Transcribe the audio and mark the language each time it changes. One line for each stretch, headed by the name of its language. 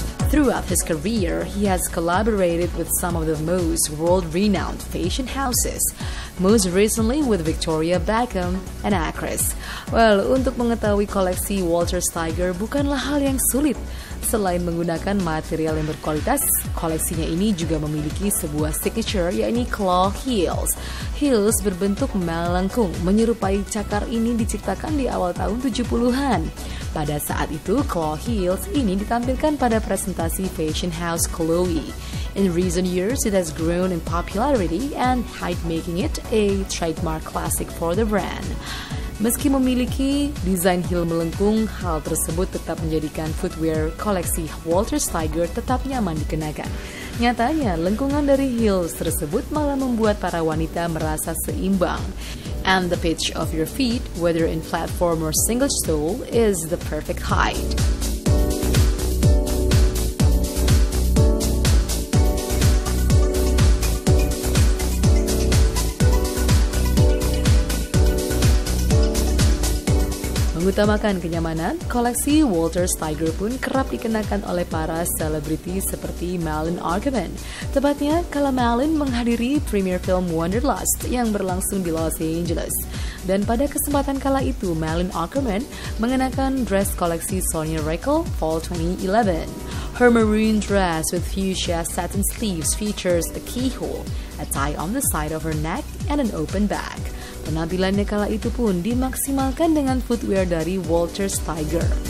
English: Throughout his career, he has collaborated with some of the most world-renowned fashion houses, most recently with Victoria Beckham and Acres.
Indonesian: Well, untuk mengetahui koleksi Walter Steiger bukanlah hal yang sulit. Selain menggunakan material yang berkualitas, koleksinya ini juga memiliki sebuah signature, yaitu claw heels. Heels berbentuk melengkung, menyerupai cakar ini diciptakan di awal tahun 70-an. Pada saat itu, claw heels ini ditampilkan pada presentasi fashion house Chloe.
English: In recent years, it has grown in popularity and height making it a trademark classic for the brand.
Indonesian: Meski memiliki desain heel melengkung, hal tersebut tetap menjadikan footwear koleksi Walter Steiger tetap nyaman dikenakan. Nyatanya, lengkungan dari heels tersebut malah membuat para wanita merasa seimbang.
English: And the pitch of your feet, whether in platform or single sole, is the perfect height.
Indonesian: Mengutamakan kenyamanan, koleksi Walter Steiger pun kerap dikenakan oleh para selebriti seperti Malin Arkavin. Tepatnya, kala Malin menghadiri premier film Wanderlust yang berlangsung di Los Angeles. Dan pada kesempatan kala itu, Malin Arkavin mengenakan dress koleksi Sonia Rykiel Fall 2011.
English: Her maroon dress with fuchsia satin sleeves features a keyhole, a tie on the side of her neck, and an open back.
Indonesian: Penampilannya kala itu pun dimaksimalkan dengan footwear dari Walter Steiger.